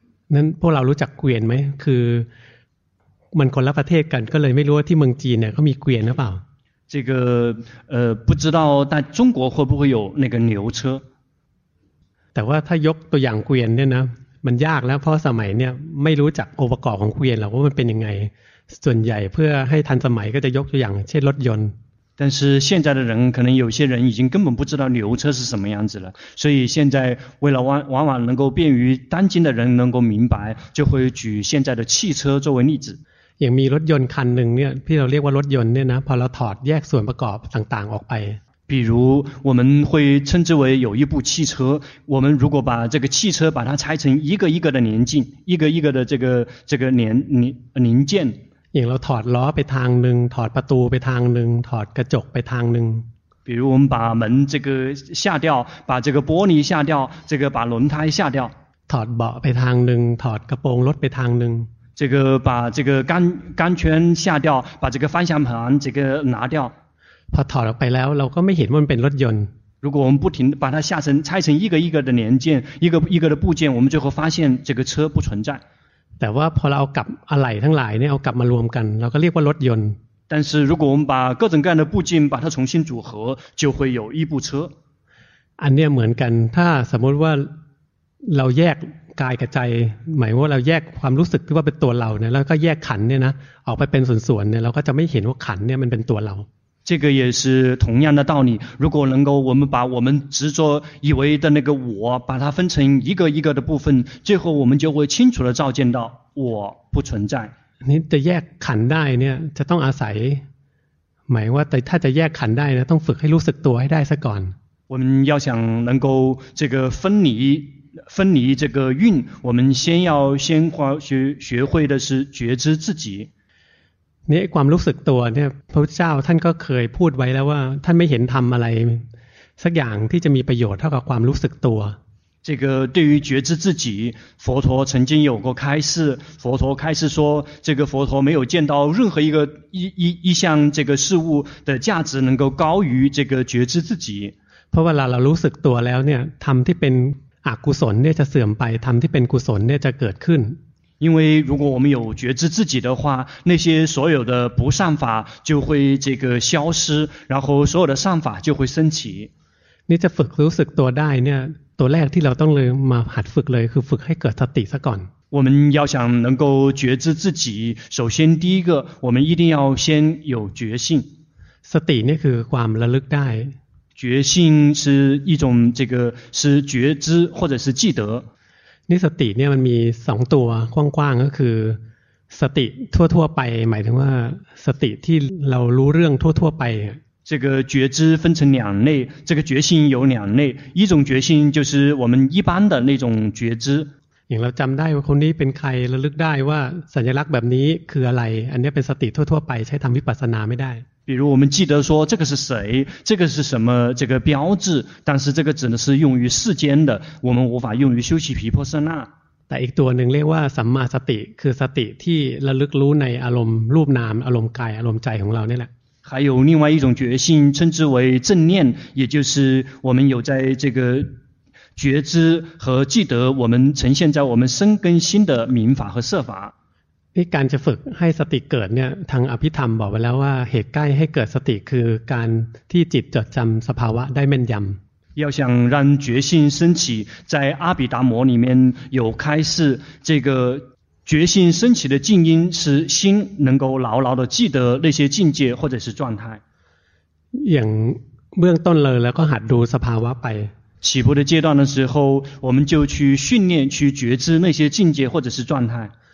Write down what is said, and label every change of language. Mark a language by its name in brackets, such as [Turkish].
[Thai] นั้นพวกเรารู้จักเกวียนไหมคือมันคนละประเทศกันก็เลยไม่รู้ว่าที่เมืองจีนเนี่ยเขามีเกวียนหรือเปล่า [Chinese] 这个不知道在中国会不会有那个牛车 [Thai] แต่ว่าถ้ายกตัวอย่างเกวียนเนี่ยนะมันยากแล้วเพราะสมัยเนี่ยไม่รู้จักองค์ประกอบของเกวียนหรอกว่ามันเป็นยังไงส่วนใหญ่เพื่อให้ทันสมัยก็จะยกตัวอย่างเช่นรถยนต์ [Chinese] 但是现在的人可能有些人已经根本不知道牛车是什么样子了所以现在为了往往能够便于当今的人能够明白就会举现在的汽车作为例子 [Thai] อย่างมีรถยนต์คันหนึ่งเนี่ยที่เราเรียกว่ารถยนต์เนี่ยนะพอเราถอดแยกส่วนประกอบต่างๆออกไป [Chinese] 比如我们会称之为有一部汽车我们如果把这个汽车把它拆成一个一个的零件一个一个的这个零件 [Thai] อย่างเราถอดล้อไปทางหนึ่งถอดประตูไปทางหนึ่งถอดกระจกไปทางหนึ่ง [Chinese] 比如我们把门这个下掉把这个玻璃下掉这个把轮胎下掉 [Thai] ถอดเบาะไปทางหนึ่งถอดกระโปรงรถไปทางหนึ่ง [Chinese] 这个把这个钢圈下掉把这个方向盘这个拿掉 [Thai] พอถอดออกไปแล้วเราก็ไม่เห็นว่ามันเป็นรถยนต์ [Chinese] 如果我们不停把它下成拆成一个一个的零件一个一个的部件我们最后发现这个车不存在 [Thai] แต่ว่าพอเราเอากับอะไหล่ทั้งหลายเนี่ยเอากลับมารวมกันเราก็เรียกว่ารถยนต์ [Chinese] 但是如果我们把各种各样的部件把它重新组合就会有一部车 [Thai] อันเนี้ยเหมือนกันถ้าสมมติว่าเราแยกกายกับใจหมายว่าเราแยกความรู้สึกที่ว่าเป็นตัวเราเนี่ยแล้วก็แยกขันเนี่ยนะออกไปเป็นส่วนๆเนี่ยเราก็จะไม่เห็นว่าขันเนี่ยมันเป็นตัวเรา [Chinese] 这个也是同样的道理如果能够我们把我们执着以为的那个我把它分成一个一个的部分最后我们就会清楚的照见到我不存在 [Thai] นี่จะแยกขันได้เนี่ยจะต้องอาศัยหมายว่าถ้าจะแยกขันได้นะต้องฝึกให้รู้สึกตัวให้ได้ซะก่อน [Chinese] 我们要想能够这个分离这个运我们先花学会的是觉知自己 [Thai] นี่ความรู้สึกตัวเนี่ยพระพุทธเจ้าท่านก็เคยพูดไว้แล้วว่าท่านไม่เห็นทำอะไรสักอย่างที่จะมีประโยชน์เท่ากับความรู้สึกตัว [Chinese] 这个对于觉知自己佛陀曾经有过开示佛陀开示说这个佛陀没有见到任何一项这个事物的价值能够高于这个觉知自己 [Thai] เพราะเวลาเรารู้สึกตัวแล้วเนี่ยทำที่เป็นอกุศลเนี่ยจะเสื่อมไปทำที่เป็นกุศลเนี่ยจะเกิดขึ้น [Chinese] 因为如果我们有觉知自己的话那些所有的不善法就会这个消失然后所有的善法就会升起 [Thai] นี่จะฝึกรู้สึกตัวได้เนี่ยตัวแรกที่เราต้องเลยมาหัดฝึกเลยคือฝึกให้เกิดสติซะก่อน [Chinese] 我们要想能够觉知自己首先第一个我们一定要先有觉性 [Thai] สตินี่คือความระลึกได้ [Chinese] 觉性是一种这个是觉知或者是记得 [Thai] นี่สติเนี่ยมันมี2ตัวกว้างๆก็คือสติทั่วๆไปหมายถึงว่าสติที่เรารู้เรื่องทั่วๆไป [Chinese] 这个觉知分成两类这个觉性有两类一种觉性就是我们一般的那种觉知 [Thai] อย่างเราจําได้ว่าคนนี้เป็นใครระลึกได้ว่าสัญลักษณ์แบบนี้คืออะไรอันนี้เป็นสติทั่วๆไปใช้ทําวิปัสสนาไม่ได้ [Chinese] 比如我们记得说这个是谁这个是什么这个标志但是这个只能是用于世间的我们无法用于修习毗婆舍那 [Thai] แต่อีกตัวหนึ่งเรียกว่าสัมมาสติคือสติที่ระลึกรู้ในอารมณ์รูปนามอารมณ์กายอารมณ์ใจของเราเนี่ยแหละ [Chinese] 还有另外一种觉性称之为正念也就是我们有在这个觉知和记得我们呈现在我们生根心的明法和色法 [Thai] การจะฝึกให้สติเกิดเนี่ยทางอภิธรรมบอกไว้แล้วว่าเหตุใกล้ให้เกิดสติคือการที่จิตจดจำสภาวะได้แม่นยำ [Chinese] 要想让觉性升起在阿毗达摩里面有开示这个觉性升起的静音是心能够牢牢的记得那些境界或者是状态 [Thai] อย่างเบื้องต้นเลยแล้วก็หัดดูสภาวะไป [Chinese] 起步的阶段的时候我们就去训练去觉知那些境界或者是状态